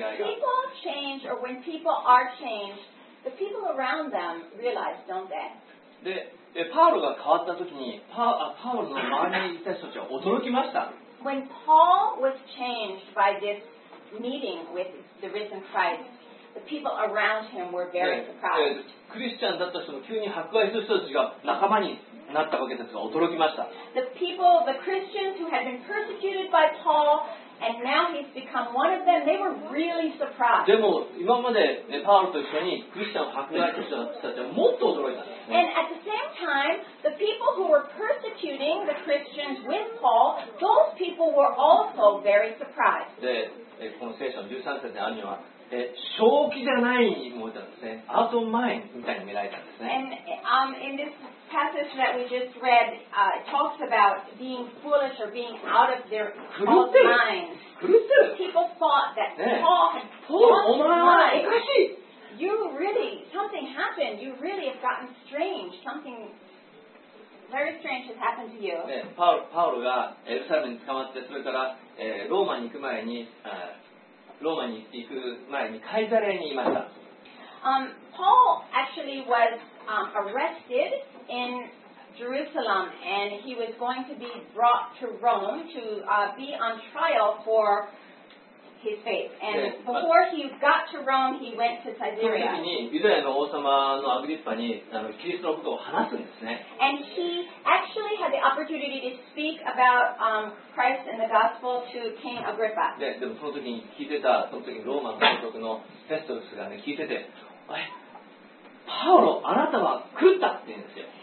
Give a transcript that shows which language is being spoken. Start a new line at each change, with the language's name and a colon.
English: When people change or when people are changed, the people around them realize, don't they?
Japanese: パウロが変わった時にパウロの周りにいた人たちは驚きました。
English: When Paul was changed by this meeting with the risen Christ, the people around him were very surprised.
Japanese: クリスチャンだった人が急に迫害する人たちが仲間になったわけですが驚きました。
English: The people, the Christians who had been persecuted by Paul, and now he's become one of them, they were really surprised.
Japanese: でも今までパウロと一緒にクリスチャンを迫害した人たちはもっと驚いた。
English: And at the same time, the people who were persecuting the Christians with Paul, those people were also very surprised.
Japanese: で、この聖書の13節にあるには、正気じゃないものなんですね。アートマインみたいに見られたんですね。
English: And, in this passage that we just read, it talks about being foolish or being out of their mind. People thought that Paul had lost his mind. You really, something happened. You really have gotten strange. Something very strange has happened to you.
Japanese: パウロがエルサレムに捕まって、それから、ローマに行く前に、ローマに行く前にカイザレにいました。
English: Paul actually was arrested in Jerusalem and he was going to be brought to Rome to be on trial for his faith. And before he got to Rome, he went to Caesarea.
Japanese: その時にユダヤの王様のアグリッパにキリストのことを話すんですね。
English: And he actually had the opportunity to speak about Christ and the gospel to King Agrippa.
Japanese: でもその時に聞いてた、その時にローマの皇族のフェストルスが、ね、聞いてて、パウロ、あなたは狂ったって言うんですよ。